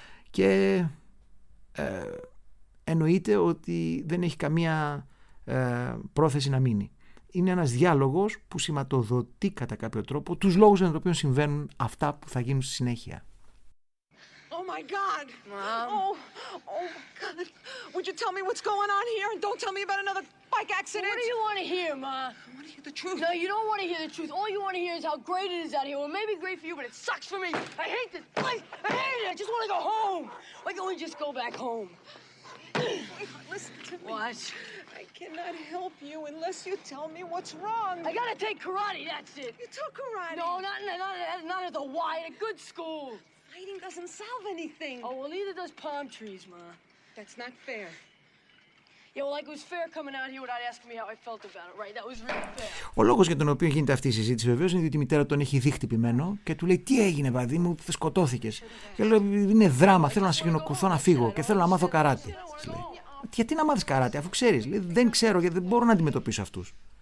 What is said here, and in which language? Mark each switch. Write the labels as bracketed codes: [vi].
[el] Και εννοείται ότι δεν έχει καμία πρόθεση να μείνει. Είναι ένας διάλογος που σηματοδοτεί κατά κάποιο τρόπο τους λόγους για τον οποίο συμβαίνουν αυτά που θα γίνουν στη συνέχεια. [en] Oh my God! Mom? Oh my God! Would you tell me what's going on here and don't tell me about another bike accident? What do you want to hear, Ma? I want to hear the truth. No, you don't want to hear the truth. All you want to hear is how great it is out here. Well, maybe great for you, but it sucks for me. I hate this place. I hate it. I just want to go home. Why can't we just go back home? Wait, listen to me. What? I cannot help you unless you tell me what's wrong. I gotta take karate, that's it. You took karate? No, not at the Y, at a good school. Fighting doesn't solve anything. Oh, well, neither does palm trees, Ma. That's not fair. Yeah, well, like it was fair coming out here without asking me how I felt about it, right? That was really fair. [el] Ο λόγος για τον οποίο γίνεται αυτή η συζήτηση βεβαίως είναι διότι η μητέρα τον έχει δει χτυπημένο και του λέει: Τι έγινε, παιδί μου, θα σκοτώθηκες. Και λέει: Είναι δράμα, θέλω να συγκινοκουθώ να φύγω και θέλω να μάθω καράτη. Γιατί να μάθεις καράτη, αφού ξέρεις. Δεν ξέρω, γιατί δεν μπορώ να αντιμετωπίσω αυτούς.